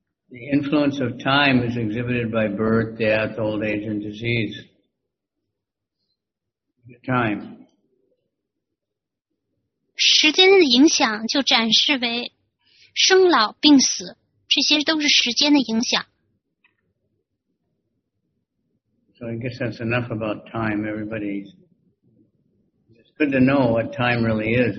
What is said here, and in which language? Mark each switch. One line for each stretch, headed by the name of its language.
English: The influence of time is exhibited by birth, death, old age, and disease. The time.
Chinese: 时间的影响就展示为生老病死，这些都是时间的影响。
English: So I guess that's enough about time, everybody. It's good to know what time really is.